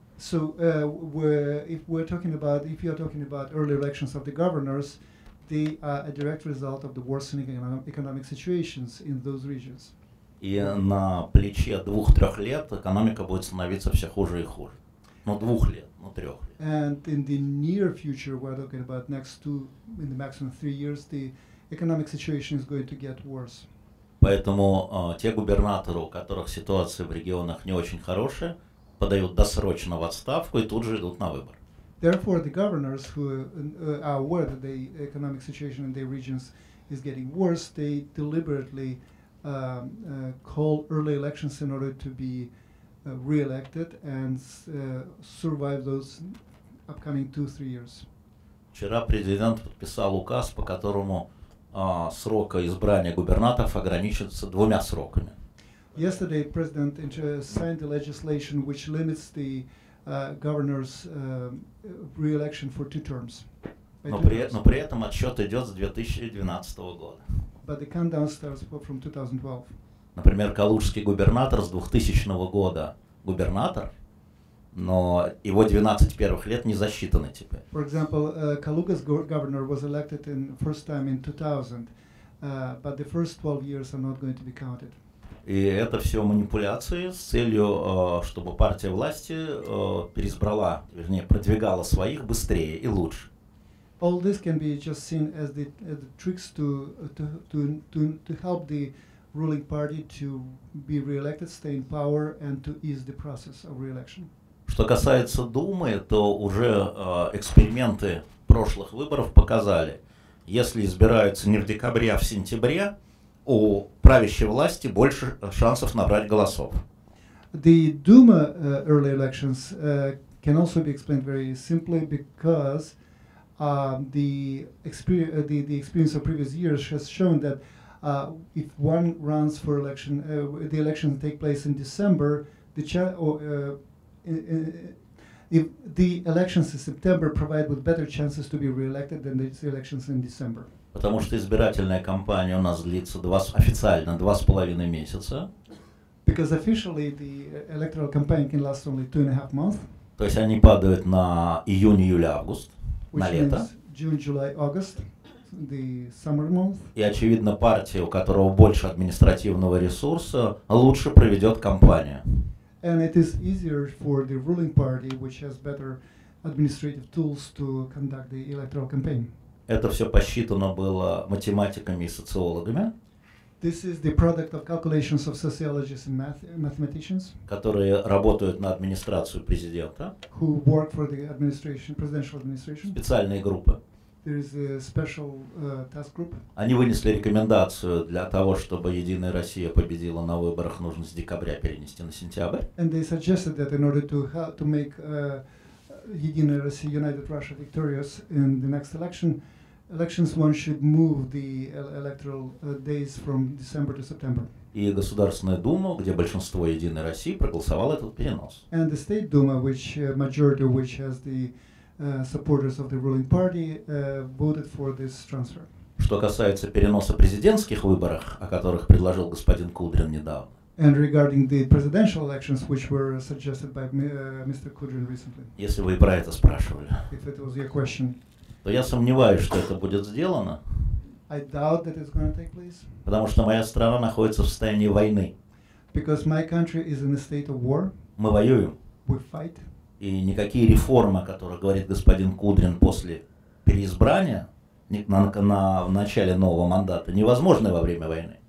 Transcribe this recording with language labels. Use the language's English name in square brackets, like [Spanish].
[English] If you're talking about early elections of the governors, they are a direct result of the worsening economic situations in those regions. [Russian] И на плече 2-3 лет экономика будет становиться все хуже и хуже. Но 2 лет, но 3 лет. [English] And in the near future, we're talking about next 2, in the maximum 3 years, the economic situation is going to get worse. [Russian] Поэтому те губернаторы, у которых ситуация в регионах не очень хорошая, подают досрочно в отставку и тут же идут на выбор. [English] Therefore, the governors who are aware that the economic situation in their regions is getting worse, they deliberately call early elections in order to be re-elected and survive those upcoming 2-3 years. [Russian] Вчера президент подписал указ, по которому срок избрания губернаторов ограничивается 2 сроками. [English] Yesterday, President signed the legislation which limits the governor's re-election for 2 terms. [Russian] Но при этом отсчет идет с 2012 года. [English] But the countdown starts from 2012. [Russian] Например, калужский губернатор с 2000 года губернатор, но его 12 первых лет не засчитаны теперь. [English] For example, Kaluga's governor was elected in first time in 2000, but the first 12 years are not going to be counted. [Russian] И это все манипуляции с целью, чтобы партия власти переизбрала, вернее, продвигала своих быстрее и лучше. [English] All this can be just seen as the tricks to help the ruling party to be re-elected, stay in power, and to ease the process of re-election. [Russian] Что касается Думы, то уже эксперименты прошлых выборов показали, если избираются не в декабре, а в сентябре, у правящей власти больше шансов набрать голосов. [English] The Duma early elections can also be explained very simply because the experience of previous years has shown that if one runs for election, the elections take place in December, if the elections in September provide with better chances to be re-elected than the elections in December. [Russian] Потому что избирательная кампания у нас длится официально 2.5 месяца. [English] Because officially the electoral campaign can last only 2.5 months. [Russian] То есть они падают на июнь, июль, август, [English] which [Russian] на лето. [English] June, July, August, the summer month. [Russian] И очевидно, партия, у которого больше административного ресурса, лучше проведет кампанию. [English] And it is easier for the ruling party, which has better administrative tools to conduct the electoral campaign. [Russian] Это все посчитано было математиками и социологами. [English] This is the product of calculations of sociologists and mathematicians. [Russian] Которые работают на администрацию президента. [English] Who work for the administration, presidential administration. [Russian] Специальные группы. [English] There is a special task group. [Russian] Они вынесли рекомендацию для того, чтобы Единая Россия победила на выборах, нужно с декабря перенести на сентябрь. [English] And they suggested that in order to make Единая Россия, United Russia victorious in the next elections, one should move the electoral days from December to September. [Russian] И Государственная Дума, где большинство Единой России, проголосовала этот перенос. [English] And the State Duma, which majority of which has the supporters of the ruling party, voted for this transfer. [Russian] Что касается переноса президентских выборов, о которых предложил господин Кудрин недавно. [English] And regarding the presidential elections, which were suggested by Mr. Kudrin recently. [Russian] Если вы про это спрашивали. [English] If it was your question. [Russian] То я сомневаюсь, что это будет сделано. [English] I doubt that it's going to take place. [Russian] Потому что моя страна находится в состоянии войны. [English] Because my country is in a state of war. [Russian] Мы воюем. [English] We fight. [Russian] И никакие реформы, о которых говорит господин Кудрин после переизбрания, в начале нового мандата, невозможны во время войны.